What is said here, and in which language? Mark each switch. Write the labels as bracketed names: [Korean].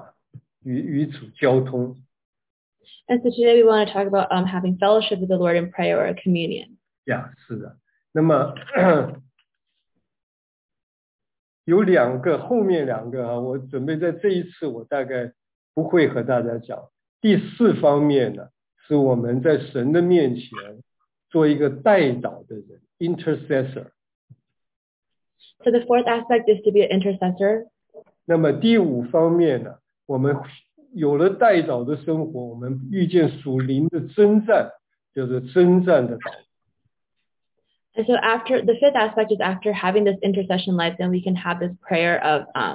[Chinese] 那么今天我们要交通到第三方面，我们交通的祷告。我们到祷告中间叫做communion，与主交通。And [English] so today we want to talk about having fellowship with the Lord in prayer or communion. [Chinese] Yeah, 是的。那么 有两个，后面两个，我准备在这一次我大概不会和大家讲。第四方面呢，是我们在神的面前做一个代祷的人，intercessor。So [English] the fourth aspect is to be an intercessor. [Chinese] 那么第五方面呢，我们有了代祷的生活，我们遇见属灵的征战，就是征战的祷告。 [English] And so after the fifth aspect is after having this intercession life, then we can have this prayer of